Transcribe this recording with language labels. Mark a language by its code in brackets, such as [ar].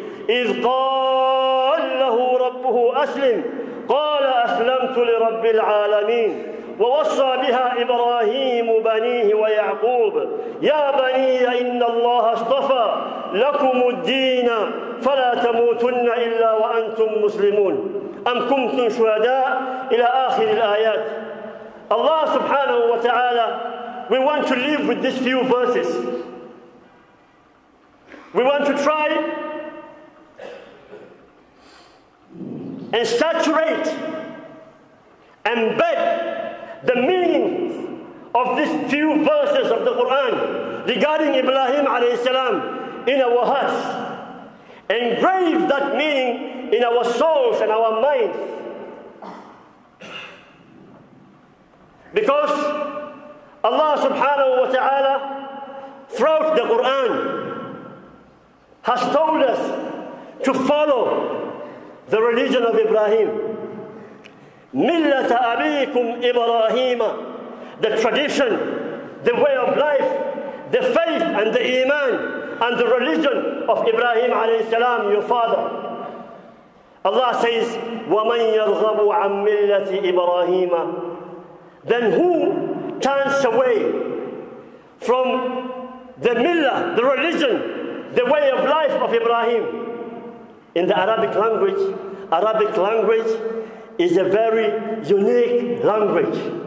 [ar] إِذْ قَالَ لَهُ رَبُّهُ أَسْلِمْ قَالَ أَسْلَمْتُ لِرَبِّ الْعَالَمِينَ وَوَصَّى بِهَا إِبْرَاهِيمُ بَنِيهِ وَيَعْقُوبُ يَا بَنِيَّ إِنَّ اللَّهَ اصْطَفَى لَكُمُ الدِّينَ فَلَا تَمُوتُنَّ إِلَّا وَأَنْتُمْ مُسْلِمُونَ أَمْ كُنْتُمْ شُهَدَاءَ إِلَى آخِرِ الْآيَاتِ. [en] Allah subhanahu wa ta'ala, we want to live with these few verses. We want to try and saturate, embed the meaning of these few verses of the Quran regarding Ibrahim alayhi salam in our hearts. Engrave that meaning in our souls and our minds. Because Allah subhanahu wa ta'ala throughout the Quran has told us to follow the religion of Ibrahim. [ar] مِلَّةَ أَبِيكُمْ إِبْرَاهِيمَ. [en] The tradition, the way of life, the faith and the iman and the religion of Ibrahim alayhi salam, your father. Allah says, [ar] وَمَنْ يَرْغَبُ عَنْ مِلَّةِ إِبْرَاهِيمَ. [en] Then who turns away from the millah, the religion, the way of life of Ibrahim? In the Arabic language is a very unique language.